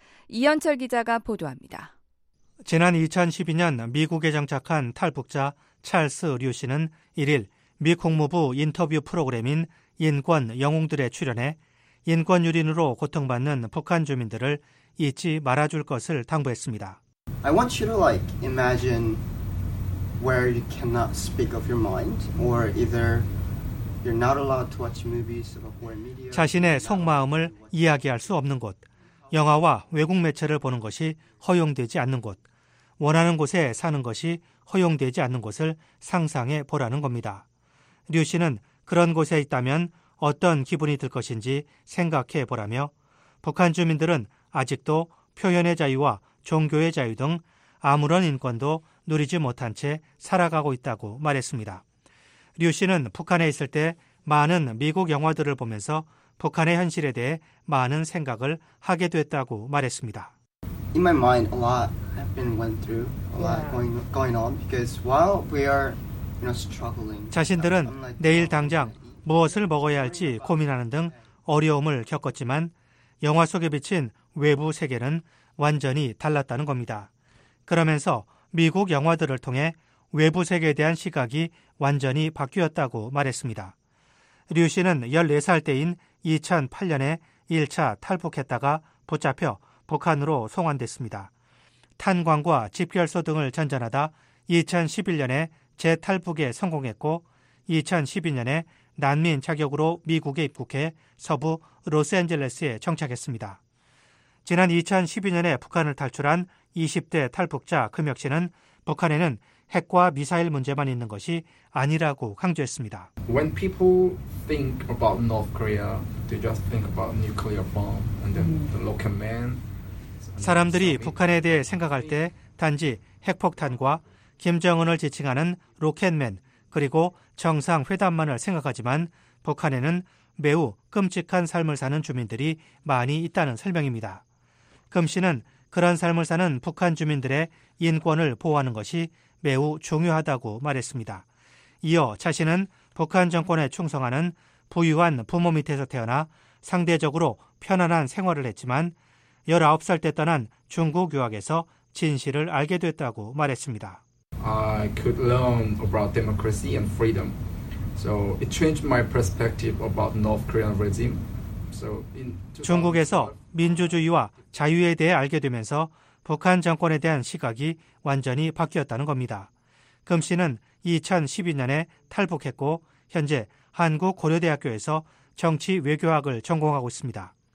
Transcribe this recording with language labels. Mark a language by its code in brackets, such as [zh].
[ko] 이현철 기자가 보도합니다. 지난 2012년 미국에 정착한 탈북자 찰스 류 씨는 1일 미 국무부 인터뷰 프로그램인 인권 영웅들에 출연해 인권 유린으로 고통받는 북한 주민들을 잊지 말아줄 것을 당부했습니다. [en] I want you to like imagine where you cannot speak of your mind or either you're not allowed to watch movies or media. [ko] 자신의 속마음을 이야기할 수 없는 곳, 영화와 외국 매체를 보는 것이 허용되지 않는 곳, 원하는 곳에 사는 것이 허용되지 않는 곳을 상상해 보라는 겁니다. 류 씨는 그런 곳에 있다면 어떤 기분이 들 것인지 생각해 보라며 북한 주민들은 아직도 표현의 자유와 종교의 자유 등 아무런 인권도 누리지 못한 채 살아가고 있다고 말했습니다. 류 씨는 북한에 있을 때 많은 미국 영화들을 보면서 북한의 현실에 대해 많은 생각을 하게 됐다고 말했습니다. [en] In my mind, a lot have been went through, a lot going on, because while we are, you know, struggling. [ko] 자신들은 내일 당장 무엇을 먹어야 할지 고민하는 등 어려움을 겪었지만 영화 속에 비친 외부 세계는 완전히 달랐다는 겁니다. 그러면서 미국 영화들을 통해 외부 세계에 대한 시각이 완전히 바뀌었다고 말했습니다. 류 씨는 14살 때인 2008년에 1차 탈북했다가 붙잡혀 북한으로 송환됐습니다. 탄광과 집결소 등을 전전하다 2011년에 재탈북에 성공했고 2012년에 난민 자격으로 미국에 입국해 서부 로스앤젤레스에 정착했습니다. 지난 2012년에 북한을 탈출한 20대 탈북자 금혁 씨는 북한에는 핵과 미사일 문제만 있는 것이 아니라고 강조했습니다. [en] When people think about North Korea, they just think about nuclear bomb and then the local man. [ko] 사람들이 북한에 대해 생각할 때 단지 핵폭탄과 김정은을 지칭하는 로켓맨 그리고 정상회담만을 생각하지만 북한에는 매우 끔찍한 삶을 사는 주민들이 많이 있다는 설명입니다. 금 씨는 그런 삶을 사는 북한 주민들의 인권을 보호하는 것이 매우 중요하다고 말했습니다. 이어 자신은 북한 정권에 충성하는 부유한 부모 밑에서 태어나 상대적으로 편안한 생활을 했지만 19살 때 떠난 중국 유학에서 진실을 알게 됐다고 말했습니다. [en] I could learn about democracy and freedom. So it changed my perspective about North Korean regime. So in [ko] 중국에서 민주주의와 자유에 대해 알게 되면서 북한 정권에 대한 시각이 완전히 바뀌었다는 겁니다. 금 씨는 2012년에 탈북했고 현재 한국 고려대학교에서 정치 외교학을 전공하고 있습니다.